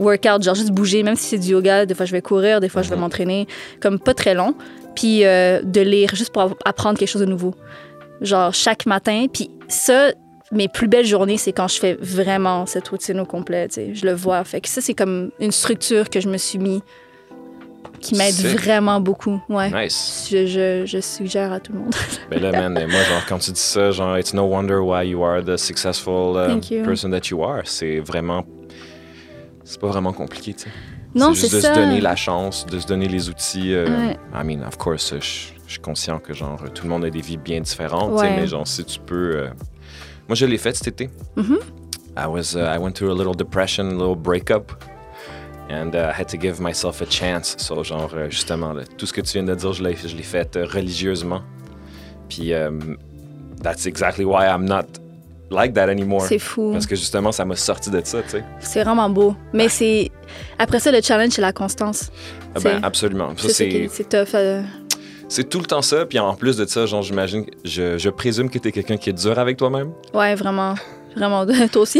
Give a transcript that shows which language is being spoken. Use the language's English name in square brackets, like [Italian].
[French] Workout, genre juste bouger, même si c'est du yoga, des fois je vais courir, des fois je vais m'entraîner, comme pas très long. Puis de lire, juste pour apprendre quelque chose de nouveau. Genre chaque matin. Puis ça, mes plus belles journées, c'est quand je fais vraiment cette routine au complet. T'sais. Je le vois. Fait que ça, c'est comme une structure que je me suis mis. Qui m'aide [English] sick. [French] Vraiment beaucoup. Ouais. [English] Nice. [French] Je suggère à tout le monde. Mais là, man, moi, genre, quand tu dis ça, genre, [English] it's no wonder why you are the successful person that you are. [French] C'est vraiment. C'est pas vraiment compliqué, tu sais. Non, c'est juste c'est de ça. Se donner la chance, de se donner les outils. Ouais. [English] I mean, of course, [French] je suis conscient que, genre, tout le monde a des vies bien différentes, ouais. Tu sais, mais, genre, si tu peux. Moi, je l'ai fait cet été. Mm-hmm. [English] I went through a little depression, a little breakup. And I had to give myself a chance. [French] So, genre, justement, là, tout ce que tu viens de dire, je l'ai fait religieusement. [English] Puis, that's exactly why I'm not like that anymore. [French] C'est fou. Parce que justement, ça m'a sorti de ça, tu sais. C'est vraiment beau. Mais c'est. Après ça, le challenge, c'est la constance. Ben, absolument. Ça, c'est tough. C'est tout le temps ça. Puis en plus de ça, genre, j'imagine, je présume que t'es quelqu'un qui est dur avec toi-même. Ouais, vraiment. Vraiment. Toi aussi.